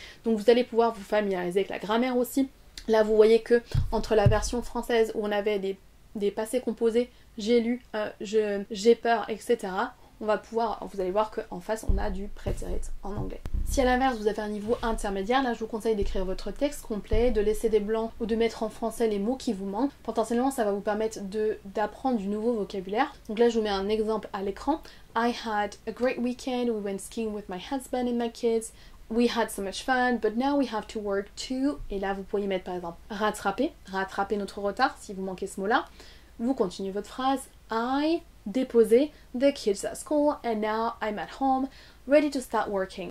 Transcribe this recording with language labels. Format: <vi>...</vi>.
<fr>Donc vous allez pouvoir vous familiariser avec la grammaire aussi. Là, vous voyez que entre la version française où on avait des passés composés, j'ai lu, j'ai peur, etc., on va pouvoir, vous allez voir qu'en face on a du prétérit en anglais. Si à l'inverse vous avez un niveau intermédiaire, là je vous conseille d'écrire votre texte complet, de laisser des blancs ou de mettre en français les mots qui vous manquent. Potentiellement ça va vous permettre d'apprendre du nouveau vocabulaire. Donc là je vous mets un exemple à l'écran.</fr> <en>I had a great weekend, we went skiing with my husband and my kids. We had so much fun, but now we have to work too.</en> <fr>Et là vous pourriez mettre par exemple rattraper, rattraper notre retard si vous manquez ce mot là. Vous continuez votre phrase.</fr> <en>I</en> <fr>déposer</fr> <en>the kids at school and now I'm at home ready to start working.</en>